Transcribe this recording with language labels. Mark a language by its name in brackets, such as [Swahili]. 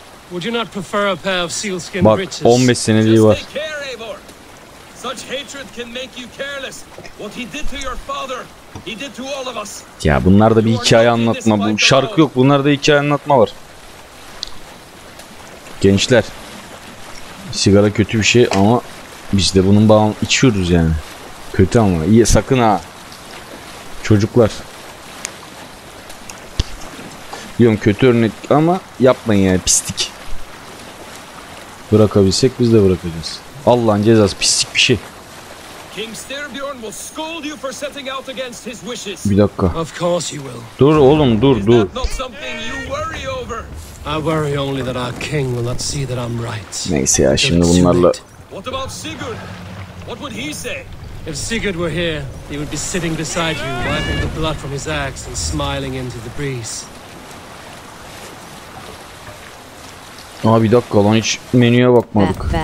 [English] Would you not prefer a pair of sealskin [Turkish] breeches? Bak 15 seneliği var. [English] Such hatred can make you careless. What he did to your father, he did to all of us. [Turkish] Ya bunlar da bir hikaye anlatma. Bu şarkı yok. Bunlar da hikaye anlatma var. Gençler. Sigara kötü bir şey ama biz de bunun bağını içiyoruz yani. Kötü ama iyi sakın ha. Çocuklar. Diyorum kötü örnek ama yapmayın yani pislik. Bırakabilsek biz de bırakacağız. Allah'ın cezası pislik bir şey. [English] King Styrbjorn will scold you for setting out against his wishes. [Turkish] Bir dakika. [English] Of course you will. [Turkish] Dur oğlum dur dur. [English] Is that not something you worry over? I worry only that our king will not see that I'm right. [Turkish] Neyse ya şimdi bunlarla. [English] What about Sigurd? What would he say? If Sigurd were here, he would be sitting beside you, wiping the blood from his axe and smiling into the breeze. [Turkish] Aa bir dakika lan hiç menüye bakmadık.